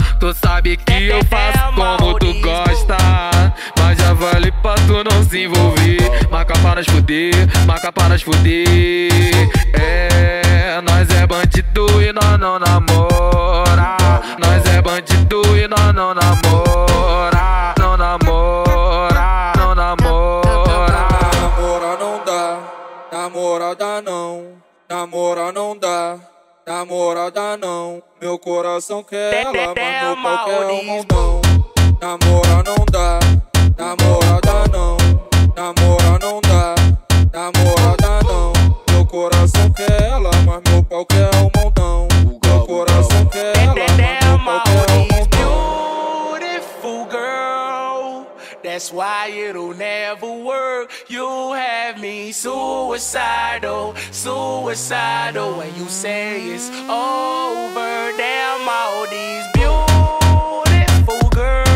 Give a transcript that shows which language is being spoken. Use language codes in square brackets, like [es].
[pt] Tu sabe que eu faço como tu gosta. Mas já vale pra tu não se envolver. Marca para esfuder, marca para esfuder. É, nós é bandido e nós não namora. Nós é bandido e nós não namora. Não namora, não namora. Namora não dá, namorada não. Namora não dá. Namorada não, meu coração quer ela, mas meu pau quer um mundão. Namora não dá, namorada não. Namora não dá, namorada não. Meu coração quer ela, mas meu pau quer um mundão. Meu coração quer ela, mas meu pau quer um mundão. [en] Beautiful girl, that's why it'll never work. You have me suicidal, suicidal. When you say it's over, damn all these beautiful girls.